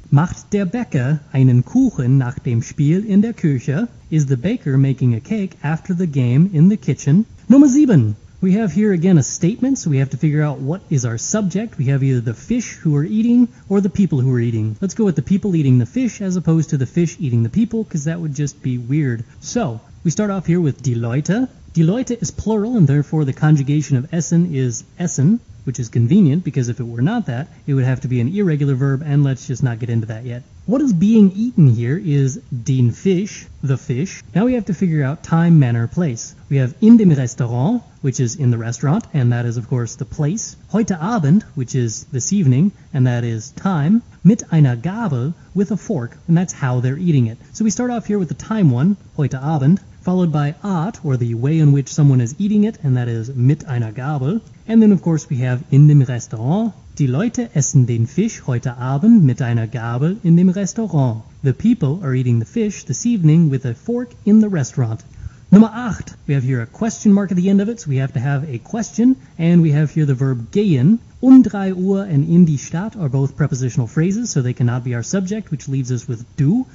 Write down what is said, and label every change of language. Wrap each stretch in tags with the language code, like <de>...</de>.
<de>Macht der Bäcker einen Kuchen nach dem Spiel in der Küche?</de> <en>Is the baker making a cake after the game in the kitchen?</en> <de>Nummer sieben.</de> <en>We have here again a statement, so we have to figure out what is our subject. We have either the fish who are eating or the people who are eating. Let's go with the people eating the fish as opposed to the fish eating the people, because that would just be weird. So, we start off here with die Leute.</en> <de>Die Leute</de> <en>is plural, and therefore the conjugation of essen is essen, which is convenient, because if it were not that, it would have to be an irregular verb, and let's just not get into that yet. What is being eaten here is</en> <de>den Fisch,</de> <en>the fish. Now we have to figure out time, manner, place. We have</en> <de>in dem Restaurant,</de> <en>which is in the restaurant, and that is, of course, the place.</en> <de>Heute Abend,</de> <en>which is this evening, and that is time.</en> <de>Mit einer Gabel,</de> <en>with a fork, and that's how they're eating it. So we start off here with the time one,</en> <de>heute Abend,</de> <en>followed by Art, or the way in which someone is eating it, and that is</en> <de>mit einer Gabel.</de> <en>And then, of course, we have</en> <de>in dem Restaurant. Die Leute essen den Fisch heute Abend mit einer Gabel in dem Restaurant.</de> <en>The people are eating the fish this evening with a fork in the restaurant.</en> <de>Nummer acht.</de> <en>We have here a question mark at the end of it, so we have to have a question. And we have here the verb gehen.</en> <de>Drei Uhr</de> <en>and</en> <de>in die Stadt</de> <en>are both prepositional phrases, so they cannot be our subject, which leaves us with du.</en>